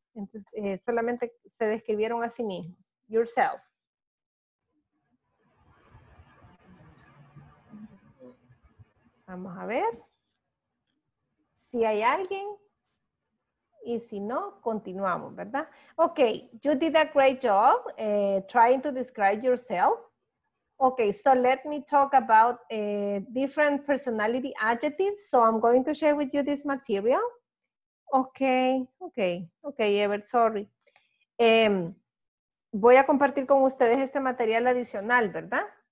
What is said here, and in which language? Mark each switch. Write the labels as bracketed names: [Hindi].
[Spanish] Entonces, solamente se describieron a sí mismos. [English] Yourself. [Spanish] Vamos a ver si hay alguien y si no, continuamos, ¿verdad? [English] Okay, you did a great job trying to describe yourself. Okay, so let me talk about different personality adjectives. So I'm going to share with you this material. Okay, Ever, sorry. [Spanish] Voy a compartir con ustedes este material adicional, ¿verdad?